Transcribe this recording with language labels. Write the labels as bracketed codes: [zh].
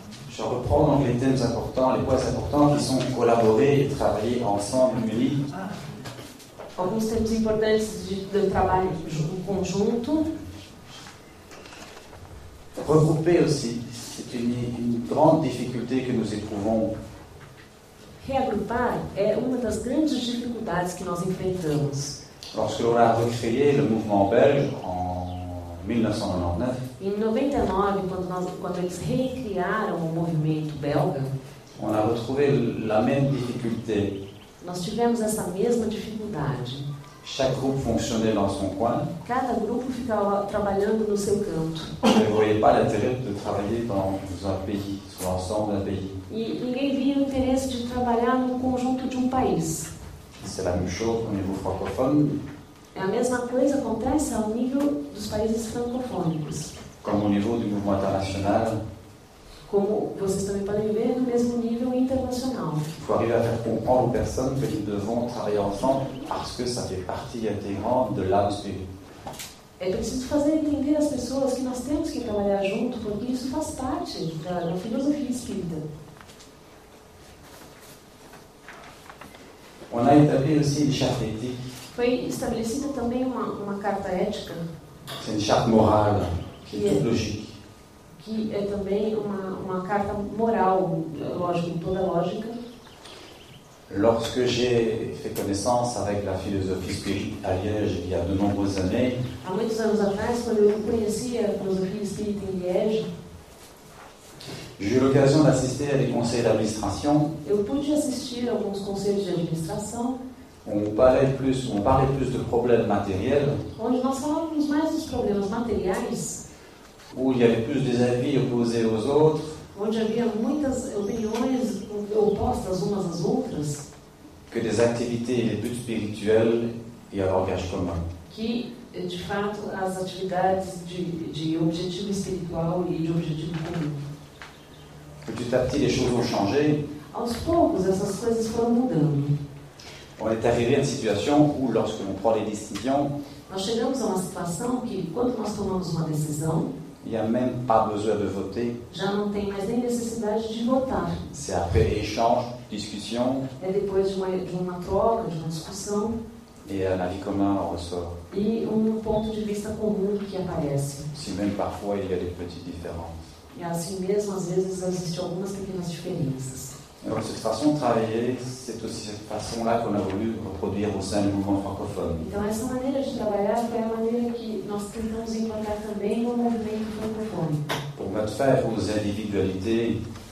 [fr] Je reprends donc les thèmes importants, les points importants qui sont collaborer et travailler ensemble, unis. [pt] Alguns termos importantes de trabalho junto, conjunto. [fr] Regrouper aussi, c'est une grande difficulté que nous éprouvons. [pt] Reagrupar é uma das grandes dificuldades que nós enfrentamos. [fr] Lorsque l'on a recréé le mouvement belge en 1999. [pt] Em 99, quando eles recriaram o movimento belga. [fr] On a retrouvé la même difficulté. [pt] Nós tivemos essa mesma dificuldade. [fr] Chaque groupe fonctionnait dans son coin. [pt] Cada grupo ficava trabalhando no seu canto. [fr] Je ne voyais pas l'intérêt de travailler dans un pays, sur l'ensemble d'un pays. [pt] E ninguém via o interesse de trabalhar no conjunto de um país. [fr] C'est la même chose au niveau francophone. [pt] É a mesma coisa acontece ao nível dos países francofônicos. [fr] Comme au niveau du mouvement international. [pt] Como vocês também podem ver, no mesmo nível internacional. [fr] Il faut arriver à faire comprendre aux personnes que nous devons travailler ensemble parce que ça fait partie intégrante de l'âme spirit. [pt] É preciso fazer entender as pessoas que nós temos que trabalhar junto porque isso faz parte da filosofia espírita. [fr] On a établi aussi une charte éthique. [pt] Foi estabelecida também uma carta ética. [fr] C'est une charte morale, qui est toute logique. [pt] Que é também uma carta moral, lógico, toda lógica. [fr] Lorsque j'ai fait connaissance avec la philosophie spirite à Liège il y a de nombreuses années. [pt] Há muitos anos atrás, quando eu conheci a filosofia espírita em Liège. [fr] J'ai eu l'occasion d'assister à des conseils d'administration. [pt] Eu pude assistir a alguns conselhos de administração. [fr] On parlait plus de problèmes matériels. [pt] Onde nós falávamos mais dos problemas materiais. [fr] Où il y avait plus des avis opposés aux autres. [pt] Onde havia muitas opiniões opostas umas às outras. [fr] Que des activités et des buts spirituels et un langage commun. [pt] Que de fato as atividades de objetivo espiritual e de objetivo comum. [fr] Petit à petit, les choses ont changé. [pt] Aos poucos, essas coisas foram mudando. [fr] On est arrivé à une situation où, lorsque l'on prend des décisions, [pt] nós chegamos a uma situação que, quando nós tomamos uma decisão, [fr] il n'y a même pas besoin de voter. [pt] Já não tem mais nem necessidade de votar. [fr] C'est après échange, discussion. [pt] É depois de uma troca, de uma discussão. [fr] Et un avis commun en ressort. [pt] E ponto de vista comum que aparece. [fr] Si même parfois il y a des petites différences. [pt] E assim mesmo, às vezes, existem algumas pequenas diferenças. [fr] Donc, cette façon de travailler, c'est aussi cette façon-là qu'on a voulu reproduire au sein du mouvement francophone. [pt] Então, essa maneira de trabalhar foi a maneira que nós tentamos implantar também no movimento francophone. [fr] Pour mettre fin aux individualités.